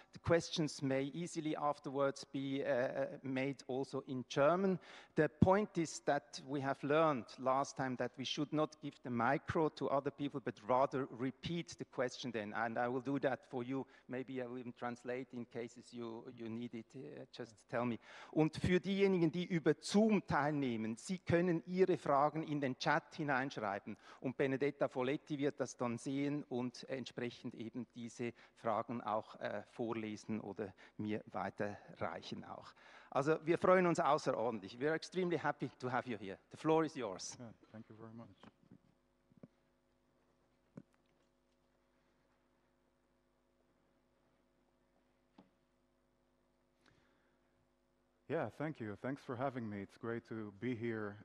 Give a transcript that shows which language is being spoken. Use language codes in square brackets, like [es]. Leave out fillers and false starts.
[en] The questions may easily afterwards be made also in German. The point is that we have learned last time that we should not give the micro to other people, but rather repeat the question then. And I will do that for you. Maybe I will even translate in cases you need it. Just tell me. [de] Und für diejenigen, die über Zoom teilnehmen, sie können ihre Fragen in den Chat hineinschreiben. Und Benedetta Folletti wird das dann sehen und entsprechend eben diese Fragen auch vorlesen oder mir weiterreichen auch. Also wir freuen uns außerordentlich. [en] We are extremely happy to have you here. The floor is yours. Yeah, thank you very much. Yeah, thank you. Thanks for having me. It's great to be here.